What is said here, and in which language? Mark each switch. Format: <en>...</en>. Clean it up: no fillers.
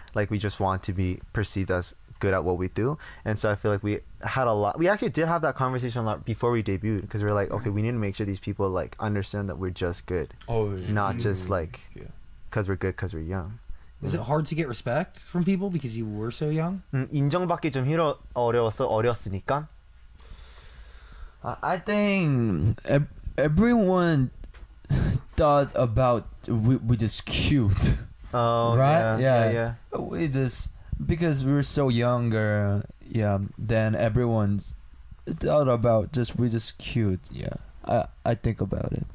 <en>Like we just want to be perceived as good at what we do. And so I feel like we actually did have that conversation a lot before we debuted because we're like, okay, we need to make sure these people like understand that we're just good. Oh, not just like because we're good because we're young. Was it hard to get respect from people because you were so young?</en> <ko>인정받기 좀 어려웠으니까.</ko> <en>I think everyone thought about we just cute. Oh, right? Yeah. We just, because we were so younger, yeah, then everyone thought about just we just cute. Yeah, I think about it.</en>